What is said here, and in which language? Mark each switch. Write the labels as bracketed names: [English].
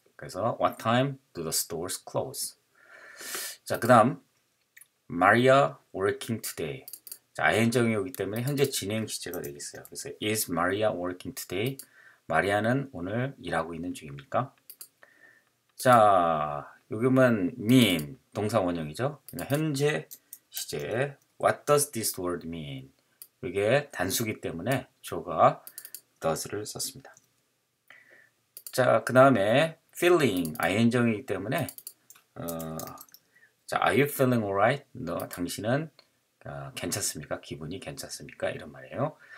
[Korean] 그래서 [English] what time do the stores close? [Korean] 자, 그 다음 [English] Maria working today? [Korean] 자, ing이 오기 때문에 현재 진행 시제가 되겠어요. 그래서 [English] is Maria working today? [Korean] 마리아는 오늘 일하고 있는 중입니까? 자, 여기면 mean 동사 원형이죠. 그냥 현재 시제 [English] what does this word mean? [Korean] 이게 단수기 때문에 주어가 does를 썼습니다. 자, 그 다음에 feeling, ing이기 때문에 자, [English] are you feeling alright? [Korean] 너 당신은 괜찮습니까? 기분이 괜찮습니까? 이런 말이에요.